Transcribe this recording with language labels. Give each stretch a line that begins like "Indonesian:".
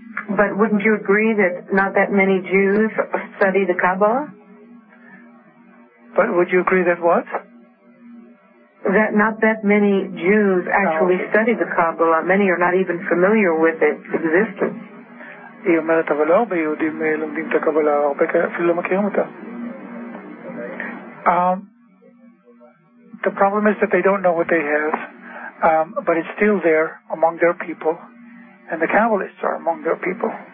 English: But wouldn't you agree that not that many Jews study the Kabbalah? But would you agree that what? That not that many Jews actually study the Kabbalah. Many are not even familiar with its existence.
Hebrew: היא אומרת, אבל לא הרבה יהודים לומדים את הקבלה, הרבה אפילו לא מכירים אותה.
English: The problem is that they don't know what they have, but it's still there among their people, and the Kabbalists are among their people.